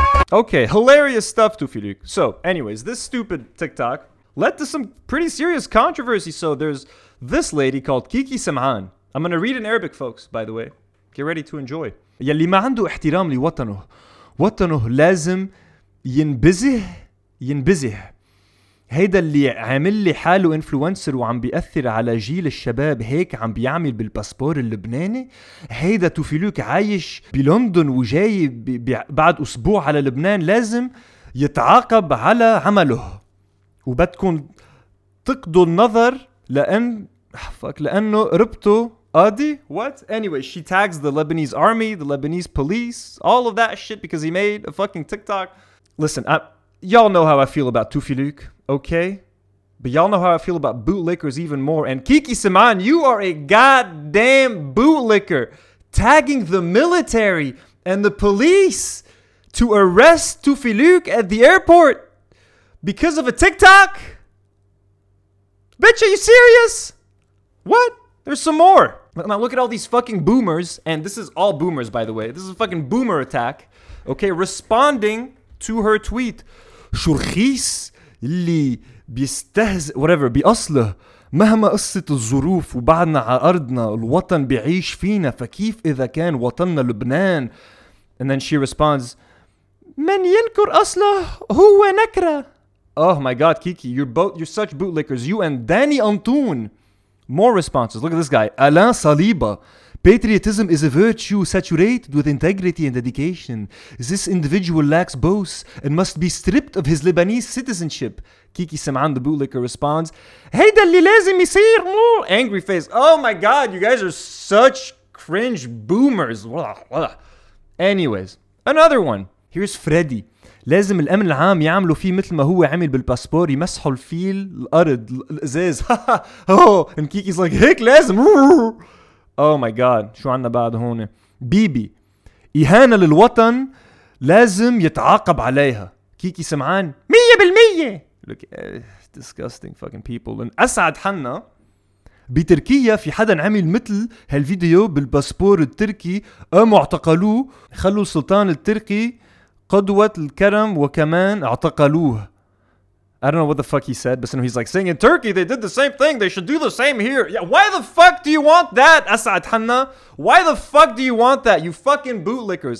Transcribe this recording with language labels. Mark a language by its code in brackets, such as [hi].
[en] Okay, hilarious stuff, Tufiluk. So anyways, this stupid TikTok led to some pretty serious controversy. So there's this lady called Kiki Samhan. I'm going to read in Arabic, folks, by the way. Get ready to enjoy. [ar] يلي ما عنده احترام لوطنه وطنه لازم ينبزه ينبزه هيدا اللي عامل لي حاله انفلونسر وعم بيأثر على جيل الشباب هيك عم بيعمل بالباسبور اللبناني هيدا توفيلوك عايش بلندن وجاي بعد أسبوع على لبنان لازم يتعاقب على عمله وبدكن تقضوا النظر لأنه ربطه Adi? [en] What? Anyway, she tags the Lebanese army, the Lebanese police, all of that shit because he made a fucking TikTok. Listen, y'all know how I feel about Tufiluk, okay? But y'all know how I feel about bootlickers even more. And Kiki Samhan, you are a goddamn bootlicker tagging the military and the police to arrest Tufiluk at the airport because of a TikTok? Bitch, are you serious? What? There's some more. Now look at all these fucking boomers, and this is all boomers, by the way. This is a fucking boomer attack. Okay, responding to her tweet. [ar] شرخيص اللي بيستهزئ whatever بأصله مهما قصت الظروف وبعدنا على أرضنا الوطن بيعيش فينا فكيف إذا كان وطننا لبنان. [en] And then she responds, [ar] من ينكر أصله هو نكرة. [en] Oh my God, Kiki, you're such bootlickers. You and Danny Antoon. More responses. Look at this guy. Alain Saliba. Patriotism is a virtue saturated with integrity and dedication. This individual lacks both and must be stripped of his Lebanese citizenship. Kiki Samhan, the bootlicker, responds. Hey, [ar] dali lazim yisir mo. [en] Angry face. Oh my God, you guys are such cringe boomers. Anyways, another one. Here's Freddy. [ar] لازم الأمن العام يعملوا فيه مثل ما هو عمل بالباسبور يمسحوا الفيل الأرض الأزاز [en] and Kiki's like [ar] هيك لازم [en] oh my god [ar] شو عنا بعد هون بيبي إهانة للوطن لازم يتعاقب عليها كيكي سمعان [en] 100% look disgusting fucking people and [ar] أسعد حنا بتركيا في حدا عمل مثل هالفيديو بالباسبور التركي قاموا اعتقلوه خلوا السلطان التركي قدوة الكرم وكمان اعتقلوه. [en] I don't know what the fuck he said, but he's like saying in Turkey they did the same thing, they should do the same here. Yeah, why the fuck do you want that, Asad Hanna? Why the fuck do you want that, you fucking bootlickers?